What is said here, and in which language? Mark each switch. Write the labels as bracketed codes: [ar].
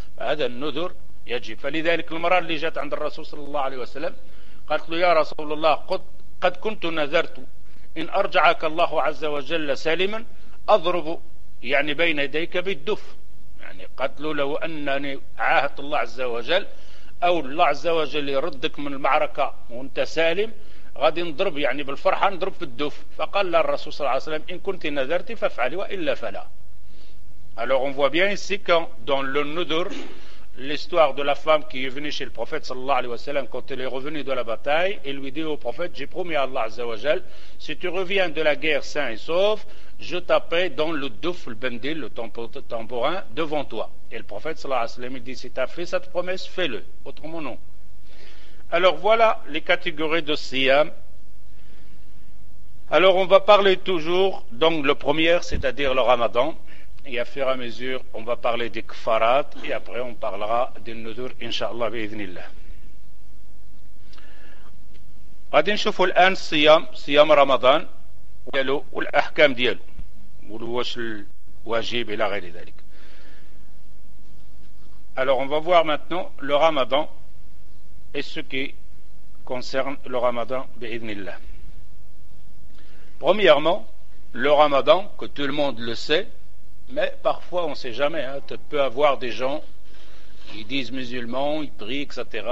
[ar] هذا النذر يجب. فلذلك المرأة اللي جات عند الرسول صلى الله عليه وسلم قالت له: يا رسول الله قد كنت نذرت إن أرجعك الله عز وجل سالما أضرب يعني بين يديك بالدف، يعني قالت له: لو أنني عاهدت الله عز وجل أو الله عز وجل يردك من المعركة وأنت سالم غادي نضرب يعني بالفرحة نضرب في الدف. فقال له الرسول صلى الله عليه وسلم: إن كنت نذرت فافعلي وإلا فلا. [fr] Alors on voit bien ici que dans le nudur, l'histoire de la femme qui est venue chez le prophète [ar] sallallahu alayhi wa sallam [fr] quand elle est revenue de la bataille, et lui dit au prophète: j'ai promis à Allah [ar] azza wa jal, [fr] si tu reviens de la guerre sain et sauf, je taperai dans le duf, le bendil, le tambourin devant toi. Et le prophète [ar] sallallahu alayhi wa sallam [fr] il dit: si tu as fait cette promesse, fais-le, autrement non. Alors voilà les catégories de siyam. Alors on va parler toujours, donc le premier c'est-à-dire le ramadan, et à fur et à mesure on va parler des kfarat et après on parlera des nudur [ar] inshallah bi'idhnillah. غادي نشوفوا الان الصيام، صيام رمضان ديالو والاحكام ديالو واش الواجب الى غير ذلك. [fr] Alors on va voir maintenant le ramadan et ce qui concerne le ramadan [ar] bi'idhnillah. [fr] Premièrement, le ramadan que tout le monde le sait, mais parfois on ne sait jamais, hein, tu peux avoir des gens qui disent musulmans, ils prient, etc.